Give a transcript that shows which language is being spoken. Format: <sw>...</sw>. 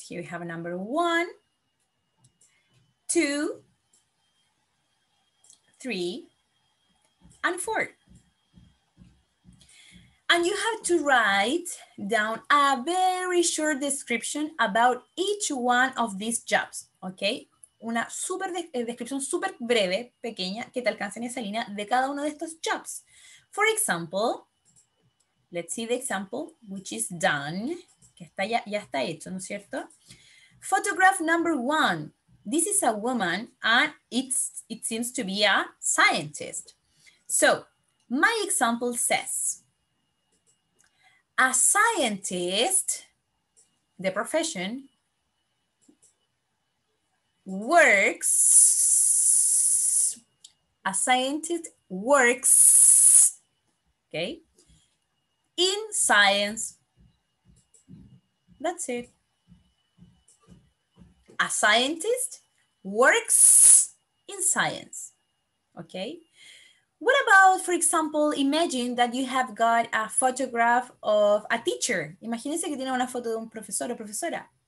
<en>Here we have number one, two, three, and four. And you have to write down a very short description about each one of these jobs, okay?</en> <es>Una super descripción super breve, pequeña, que te alcance en esa línea de cada uno de estos</es> <en>jobs. For example, let's see the example, which is done.</en> <es>Que está ya, ya está hecho, ¿no es cierto?</es> <en>Photograph number one. This is a woman and it seems to be a scientist. So, my example says, a scientist, the profession, works, a scientist works, okay, in science. That's it. A scientist works in science. Okay. What about, for example, imagine that you have got a photograph of a teacher.</en> <es>Imagínense que tiene una foto de un profesor o profesora.</es>